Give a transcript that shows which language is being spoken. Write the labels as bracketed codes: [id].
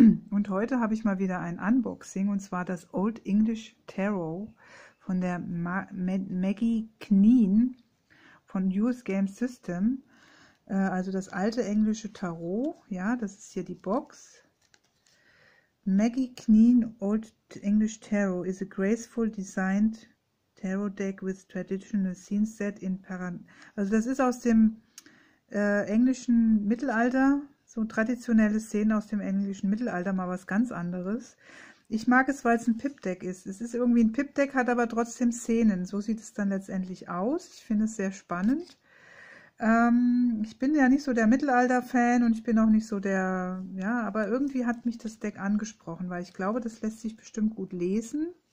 [de] Und heute habe ich mal wieder ein Unboxing, und zwar das Old English Tarot von der Maggie Kneen von US Game System. Also das alte englische Tarot, ja, das ist hier die Box. [en] Maggie Kneen Old English Tarot is a graceful designed Tarot Deck with traditional scene set in Paran. [de] Also das ist aus dem englischen Mittelalter, so traditionelle Szenen aus dem englischen Mittelalter, mal was ganz anderes. Ich mag es, weil es ein Pip-Deck ist. Es ist irgendwie ein Pip-Deck, hat aber trotzdem Szenen. So sieht es dann letztendlich aus. Ich finde es sehr spannend. Ich bin ja nicht so der Mittelalter-Fan und ich bin auch nicht so der, ja, aber irgendwie hat mich das Deck angesprochen, weil ich glaube, das lässt sich bestimmt gut lesen.